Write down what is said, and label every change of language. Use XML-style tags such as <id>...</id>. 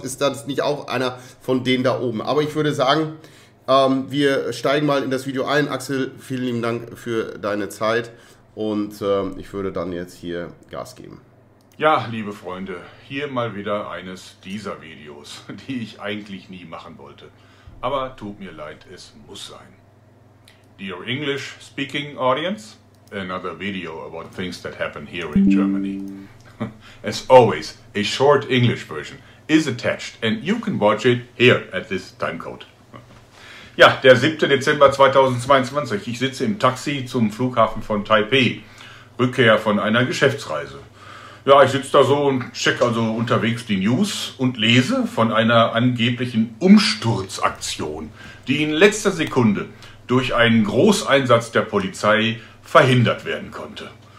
<de>Ist das nicht auch einer von denen da oben? Aber ich würde sagen, wir steigen mal in das Video ein. Axel, vielen lieben Dank für deine Zeit. Und ich würde dann jetzt hier Gas geben. Ja, liebe Freunde, hier mal wieder eines dieser Videos, die ich eigentlich nie machen wollte. Aber tut mir leid, es muss sein.</de> <en>Dear English speaking audience, another video about things that happen here in Germany. As always, a short English version is attached and you can watch it here at this timecode.</en> <de>Ja, der 7. Dezember 2022. Ich sitze im Taxi zum Flughafen von Taipei. Rückkehr von einer Geschäftsreise. Ja, ich sitze da so und checke also unterwegs die News und lese von einer angeblichen Umsturzaktion, die in letzter Sekunde durch einen Großeinsatz der Polizei verhindert werden konnte.</de>